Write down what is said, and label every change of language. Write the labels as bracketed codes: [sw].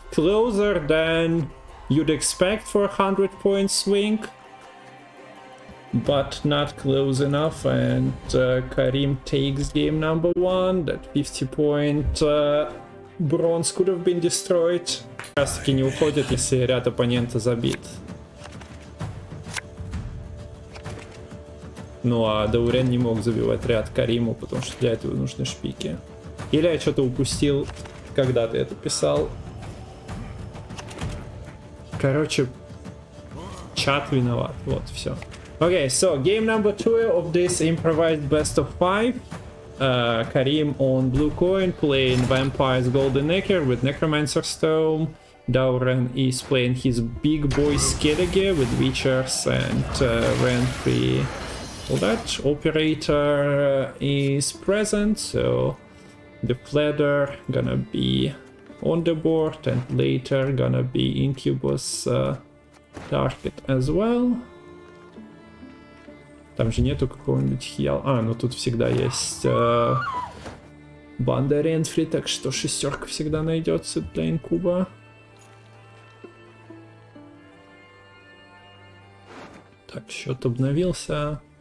[en] Closer than you'd expect for a 100-point swing. But not close enough, and Karim takes game number one. That 50-point bronze could have been destroyed. [ru] Как раз таки не уходит, если ряд оппонента забит. Ну а Даурен не мог забивать ряд Кариму, потому что для этого нужны шпики. Или я что-то упустил, когда ты это писал. Короче, чат виноват, вот все. [en] Okay, so game number two of this improvised best of five. Karim on blue coin playing Vampire's Golden Necker with Necromancer Stone. Dauren is playing his big boy Skellige with Witchers and Renfree. All that. Operator is present, so the Pledder gonna be on the board and later gonna be Incubus target as well. [ru] Там же нету какого-нибудь хиала. А, ну тут всегда есть Банда Ренфри, так что шестерка всегда найдется для инкуба. Так, счет обновился.